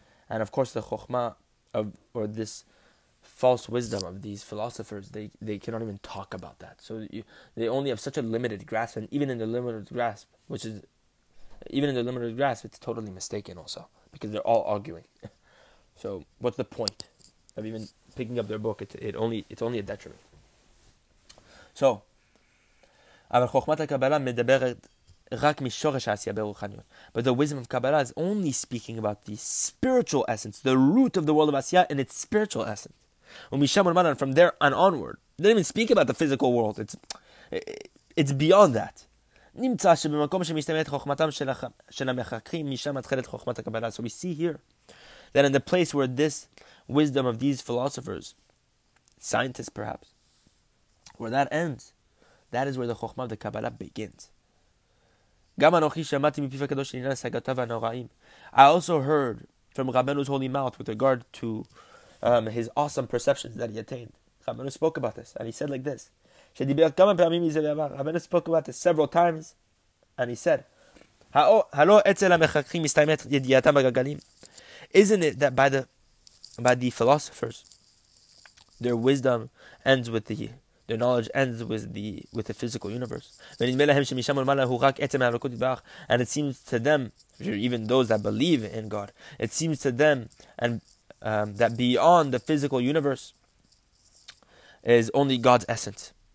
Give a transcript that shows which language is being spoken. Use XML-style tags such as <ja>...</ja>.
<en>And of course the chokhmah or this false wisdom of these philosophers, they cannot even talk about that. So they only have such a limited grasp, and even in the limited grasp, it's totally mistaken also, because they're all arguing. So what's the point of even picking up their book? It's only a detriment.</en> <he>So, אבל חוכמת הקבלה מדברת רק משורש העשייה ברוחניות.</he> <en>But the wisdom of Kabbalah is only speaking about the spiritual essence, the root of the world of Asiya and its spiritual essence.</en> <he>ומשם ולמעלה,</he> <en>from there and onward. They don't even speak about the physical world. It's beyond that.</en> <he>נמצא שבמקום שמשתמעת חוכמתם של המחקרים, משם מתחילת חוכמת הקבלה.</he> <en>So we see here that in the place where this wisdom of these philosophers, scientists perhaps, where that ends, that is where the chokhmah of the Kabbalah begins.</en> <he>גם אנוכי שמעתי מפיו הקדוש של עניין השגותיו הנוראים.</he> <en>I also heard from Rabbeinu's holy mouth with regard to his awesome perceptions that he attained. Rabbeinu spoke about this, and he said like this.</en> <he>שדיבר כמה פעמים מזה ואמר,</he> <en>Rabbeinu spoke about this several times, and he said,</en> <he>הלא אצל המחקרים מסתיימת ידיעתם בגלגלים?</he> <en>Isn't it that by the philosophers, their wisdom ends with their knowledge ends with the physical universe? And it seems to them, even those that believe in God, it seems to them and that beyond the physical universe is only God's essence.</en>